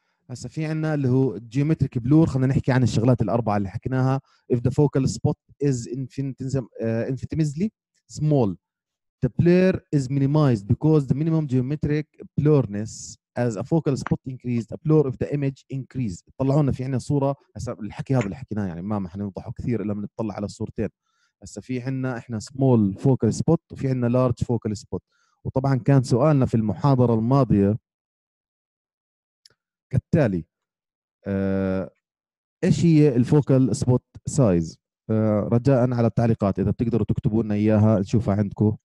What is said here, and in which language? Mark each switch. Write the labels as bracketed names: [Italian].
[Arabic] هسا في عنا اللي هو جيومتريك بلور، خلنا نحكي عن الشغلات الأربعة اللي حكيناها. [English] If the focal spot is infinitesimally small, the blur is minimized because the minimum geometric blurness as a focal spot increased, a blur of the image increased. [Arabic] طلعونا في عنا صورة، هسا الحكي هذا اللي حكيناه يعني ما حنوضحه كثير إلا منطلع على الصورتين. هسا في عنا إحنا [English] small focal spot [Arabic] وفي عنا [English] large focal spot. [Arabic] وطبعا كان سؤالنا في المحاضرة الماضية كالتالي، ايش هي الفوكال سبوت سايز؟ رجاء على التعليقات اذا بتقدروا تكتبوا لنا اياها نشوفها عندكم.